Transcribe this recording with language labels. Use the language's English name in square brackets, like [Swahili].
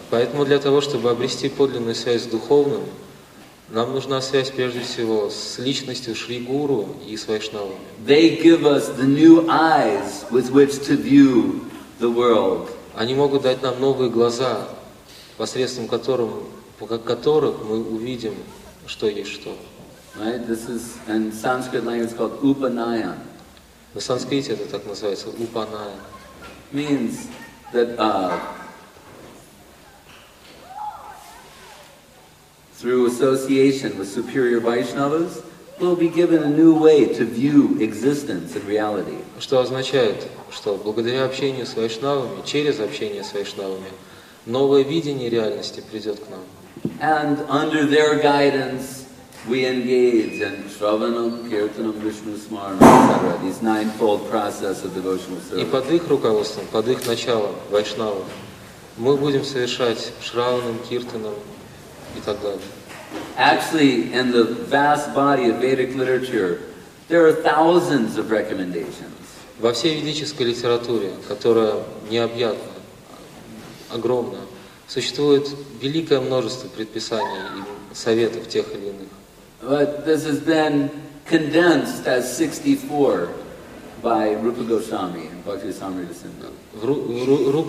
[Russian] Поэтому для того, чтобы обрести подлинную связь с духовным, нам нужна связь прежде всего с личностью Шри Гуру и с Вайшнавами. [English] They give us the new eyes with which to view the world. [Russian] Они могут дать нам новые глаза, посредством которых мы увидим, что есть что. [English] Right? This is in Sanskrit language called Upanayan. [Russian] На санскрите это так называется Upanayan. [English] Means that through association with superior Vaishnavas, we'll be given a new way to view existence and reality. [Russian] Что означает, что благодаря общению с Вайшнавами, через общение с Вайшнавами, новое видение реальности придет к нам. [English] And under their guidance, we engage in Shravanam, Kirtanam, Vishnu Smaranam, etc. These ninefold process of devotional service. [Russian] И под их руководством, под их началом, Вайшнавов, мы будем совершать Шраванам, Киртанам и так далее. [English] Actually, in the vast body of Vedic literature, there are thousands of recommendations. [Russian] Во всей ведической литературе, которая необъятна, огромна, существует великое множество предписаний и советов тех или иных. [English] But this has been condensed as 64 by Rupa Goswami and Bhakti Rasamrita Sindhu.